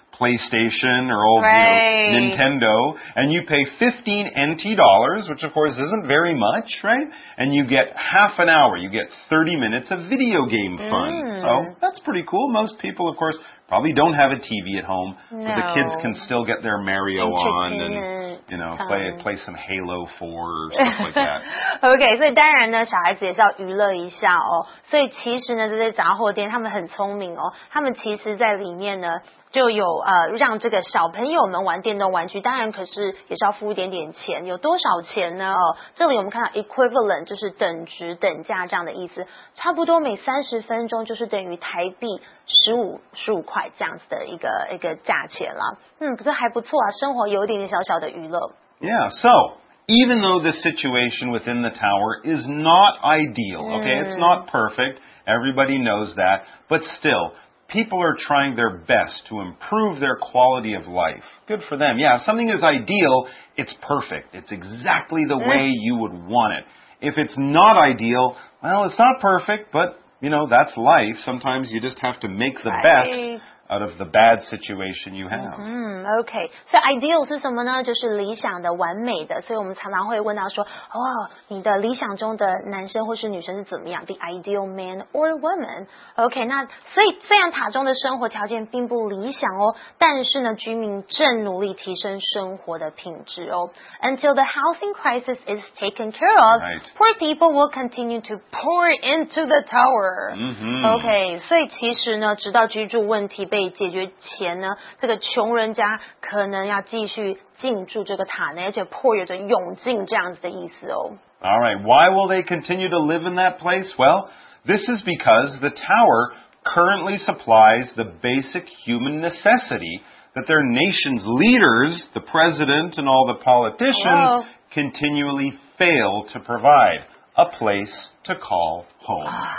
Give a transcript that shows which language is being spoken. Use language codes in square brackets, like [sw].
[en] PlayStation or old Nintendo, and you pay 15 NT dollars, which of course isn't very much, right? And you get half an hour, you get 30 minutes of video game fun. So that's pretty cool. Most people, of course, probably don't have a TV at home, but the kids can still get their Mario on and, you know, play some Halo 4 or stuff like that. [zh] OK, 所以当然呢，小孩子也是要娱乐一下哦。所以其实呢，这些杂货店他们很聪明哦，他们其实在里面呢就有让这个小朋友们玩电动玩具，当然可是也是要付一点点钱，有多少钱呢？哦，这里我们看到 equivalent 就是等值等价这样的意思，差不多每30分钟就是等于台币15块这样子的一个价钱啦。嗯，不是还不错啊，生活有一点点小小的娱乐。 [en] Yeah, so even though the situation within the tower is not ideal, okay, it's not perfect, everybody knows that, but still,people are trying their best to improve their quality of life. Good for them. Yeah, something is ideal, it's perfect. It's exactly the way you would want it. If it's not ideal, well, it's not perfect, but, you know, that's life. Sometimes you just have to make the best out of the bad situation you have. [zh] OK, so ideal 是什么呢？就是理想的、完美的。所以我们常常会问到说，哦，你的理想中的男生或是女生是怎么样 ？ [en] The ideal man or woman. [zh] OK, 那所以虽然塔中的生活条件并不理想哦，但是呢，居民正努力提升生活的品质哦。 [en] Until the housing crisis is taken care of, poor people will continue to pour into the tower. [zh] OK, 所以其实呢，直到居住问题被解决前呢，这个穷人家可能要继续进驻这个塔呢，而且迫于着涌进这样子的意思哦。 [en] All right, why will they continue to live in that place? Well, this is because the tower currently supplies the basic human necessity that their nation's leaders, the president and all the politicians, continually fail to provide a place to call home.